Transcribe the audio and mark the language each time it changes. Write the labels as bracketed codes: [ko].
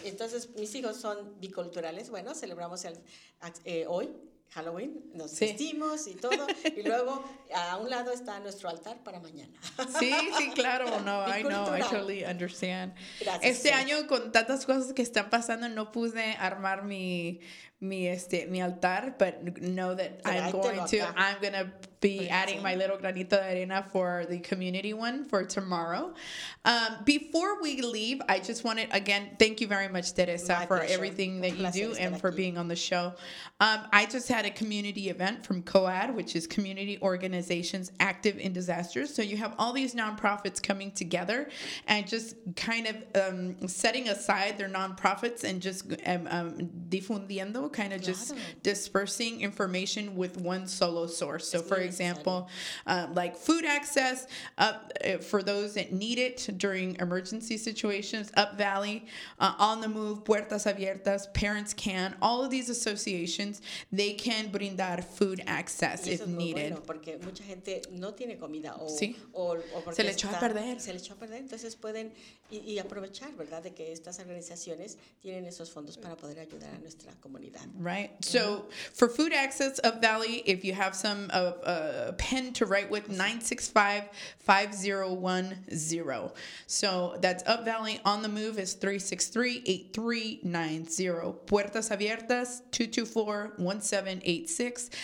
[es] Entonces, mis hijos son biculturales. Bueno, celebramos hoy Halloween, nos vestimos y todo. Y luego, a un lado está nuestro altar para mañana. Sí, sí, claro. [en] No, I know, I totally understand. [es] Gracias. Este año, con tantas cosas que están pasando, no pude armar mi altar, [en] but know that I'm going to, I'm going to be adding my little [es] granito de arena [en] for the community one for tomorrow. Before we leave, I just wanted, again, thank you very much, Teresa, for everything that you do and for being on the show. I just had a community event from COAD, which is Community Organizations Active in Disasters. So you have all these nonprofits coming together and just kind of setting aside their nonprofits and just [es] difundiendo, [en] kind of just dispersing information with one solo source. So for example, like food access for those that need it during emergency situations, Up Valley, On the Move, Puertas Abiertas, Parents Can, all of these associations, they can [es] brindar [en] food access if needed. [es] Bueno, porque mucha gente no tiene comida o, sí. o porque se le echó a perder. Se le echó a perder, entonces pueden y aprovechar, ¿verdad? De que estas organizaciones tienen esos fondos para poder ayudar a nuestra comunidad. [en] Right. Yeah. So for food access, Up Valley, if you have some of a pen to write with, 965-5010. So that's Up Valley. On the Move is 363-8390. Puertas Abiertas, 224-1786.